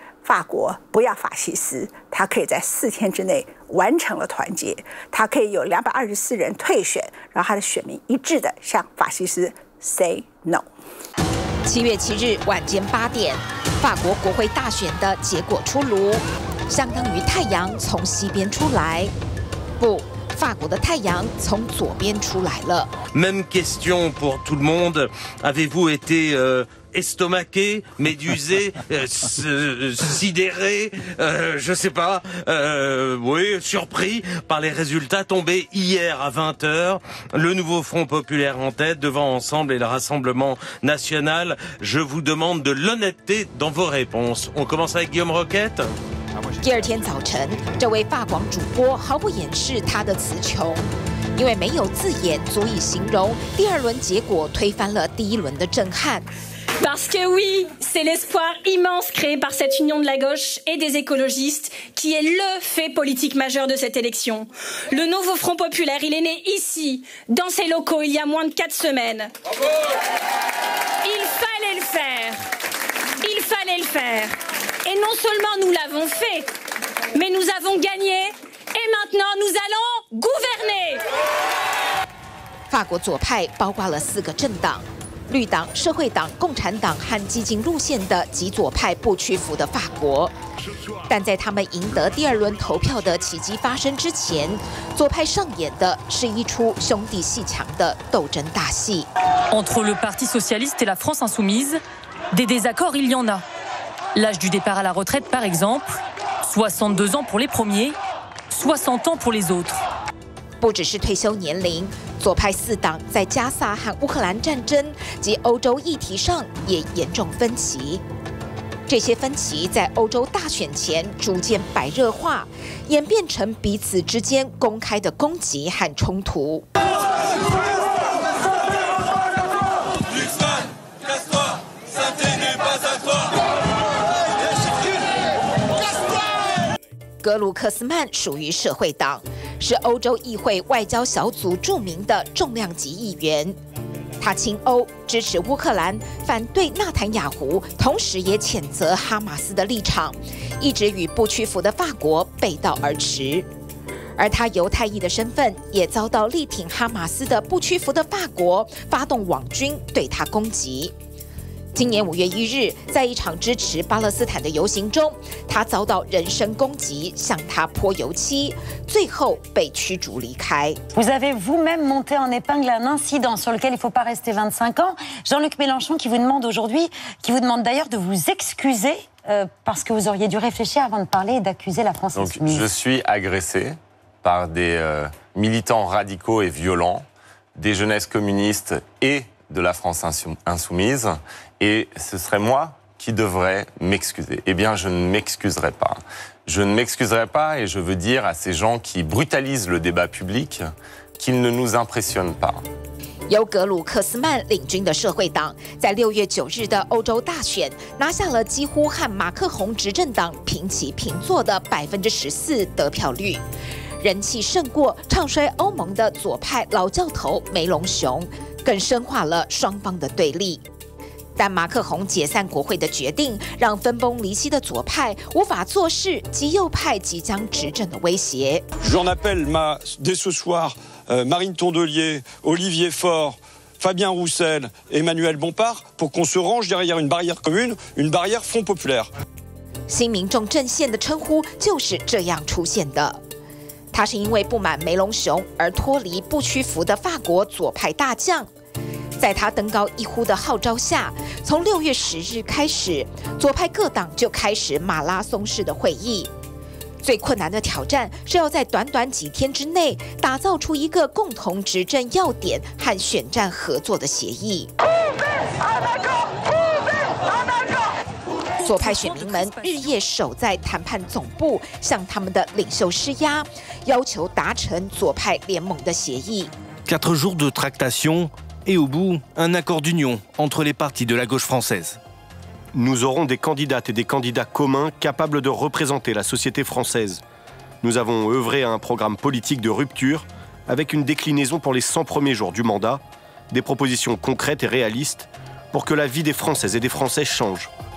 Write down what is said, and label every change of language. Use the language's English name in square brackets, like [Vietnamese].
[Chinese] 法国不要法西斯，他可以在四天之内完成了团结，他可以有224人退选，然后他的选民一致的向法西斯 [English] say no。 [Chinese] 7月7日晚间8点，法国国会大选的结果出炉，相当于太阳从西边出来，不，法国的太阳从左边出来了。 [French] Même question pour tout le monde. Avez-vous été estomaqué, médusé, sidéré, je sais pas, oui, surpris par les résultats tombés hier à 20h. Le nouveau Front populaire en tête devant Ensemble et le Rassemblement national. Je vous demande de l'honnêteté dans vos réponses. On commence avec Guillaume Roquette. [Chinese] 第二天早晨，这位法广主播毫不掩饰他的词穷，因为没有字眼足以形容第二轮结果推翻了第一轮的震撼。 [French] Parce que oui, c'est l'espoir immense créé par cette union de la gauche et des écologistes qui est le fait politique majeur de cette élection. Le nouveau Front populaire, il est né ici, dans ces locaux, il y a moins de 4 semaines. Bravo ! Il fallait le faire. Il fallait le faire. Et non seulement nous l'avons fait, mais nous avons gagné et maintenant nous allons gouverner. [Chinese] 法国左派包括了4个政党。绿党、社会党、共产党和激进路线的极左派不屈服的法国，但在他们赢得第二轮投票的奇迹发生之前，左派上演的是一出兄弟戏墙的斗争大戏。 [French] Entre le Parti socialiste et la France insoumise, des désaccords il y en a. L'âge du départ à la retraite, par exemple, 62 ans pour les premiers, 60 ans pour les autres. [Chinese] 不只是退休年龄。左派四党在加萨和乌克兰战争及欧洲议题上也严重分歧，这些分歧在欧洲大选前逐渐白热化，演变成彼此之间公开的攻击和冲突。格鲁克斯曼属于社会党，是欧洲议会外交小组著名的重量级议员，他亲欧，支持乌克兰，反对纳坦雅胡，同时也谴责哈马斯的立场，一直与不屈服的法国背道而驰。而他犹太裔的身份也遭到力挺哈马斯的不屈服的法国发动网军对他攻击。今年5月1日，在一场支持巴勒斯坦的游行中，他遭到人身攻击，向他泼油漆，最后被驱逐离开。 [French] Vous avez vous-même monté en épingle un incident sur lequel il ne faut pas rester 25 ans. Jean-Luc Mélenchon qui vous demande aujourd'hui, qui vous demande d'ailleurs de vous excuser parce que vous auriez dû réfléchir avant de parler et d'accuser la France insoumise. Donc je suis agressé par des militants radicaux et violents, des jeunesses communistes et de la France insoumise. Et ce serait moi qui devrais m'excuser. Eh bien, je ne m'excuserai pas. Je ne m'excuserai pas et je veux dire à ces gens qui brutalisent le débat public qu'ils ne nous impressionnent pas. [Chinese] 由格鲁克斯曼领军的社会党在6月9日的欧洲大选拿下了几乎和马克宏执政党平起平坐的14%得票率。人气胜过唱衰欧盟的左派老教头梅隆雄，更深化了双方的对立。但马克宏解散国会的决定让分崩离析的左派无法坐视极右派即将执政的威胁。 [French] J'en appelle dès ce soir Marine Tondelier, Olivier Faure, Fabien Roussel, Emmanuel Bompard pour qu'on se range derrière une barrière commune, une barrière Front Populaire. [Chinese] 新民众阵线的称呼就是这样出现的。他是因为不满梅隆雄而脱离不屈服的法国左派大将。在他登高一呼的号召下，从6月10日开始，左派各党就开始马拉松式的会议。最困难的挑战是要在短短几天之内打造出一个共同执政要点和选战合作的协议。左派选民们日夜守在谈判总部，向他们的领袖施压，要求达成左派联盟的协议。 [French] Quatre jours de tractation. Et au bout, un accord d'union entre les partis de la gauche française. Nous aurons des candidates et des candidats communs capables de représenter la société française. Nous avons œuvré à un programme politique de rupture, avec une déclinaison pour les 100 premiers jours du mandat, des propositions concrètes et réalistes pour que la vie des Françaises et des Français change.